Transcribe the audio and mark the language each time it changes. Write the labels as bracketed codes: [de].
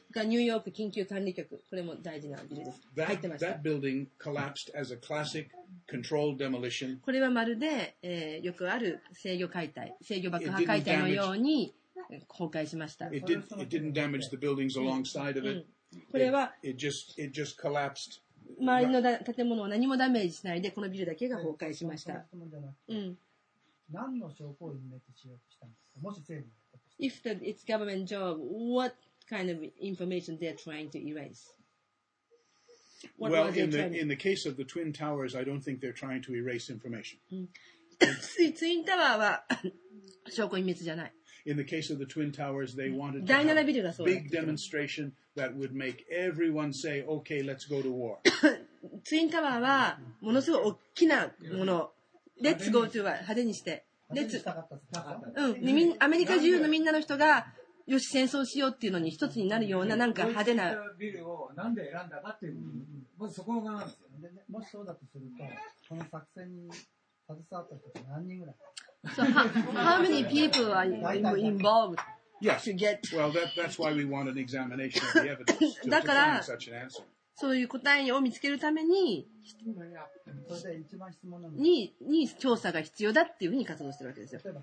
[ja] がニューヨーク緊急管理局、これも大事なビルです。入ってました。 [en] That building collapsed as a classic controlled demolition. [ja] これはまるで、よくある制御解体、制御爆破解体のように崩壊しました。 [en] It didn't damage the buildings alongside of it. [ja] これは、 [en] it just collapsed. [ja] 周りの建物を何もダメージしないで、このビルだけが崩壊しました。何の証拠を隠滅しようとしたんですか。もし政府が。 [en] If it's government job, what kind of information they're trying to erase? Well, in the case of the Twin Towers, I don't think they're trying to erase information. [ja] ツインタワーは証拠隠滅じゃない。 [en] In the case of the Twin Towers, they wanted to have a big demonstration that would make everyone say, "Okay, let's go to war." [ja] ツインタワーはものすごい大きなもの。 [en] Let's go to war. [ja] 派手にして。 [en] Let's. [ja] うん。アメリカ中のみんなの人が、よし戦争しようっていうのに一つになるようななんか派手なビルをなんで選んだかっていう、うん、まずそこがなんですよ。で、ね、もしそうだとするとこの作戦に携わった人は何人ぐらい？ [en] So how many people are involved? Yes. To get... Well, that's why we want an examination of the evidence. [ja] だから、 [en] such an answer. [ja] そういう答えを見つけるために。それで一番質問に調査が必要だっていうふうに活動してるわけですよ。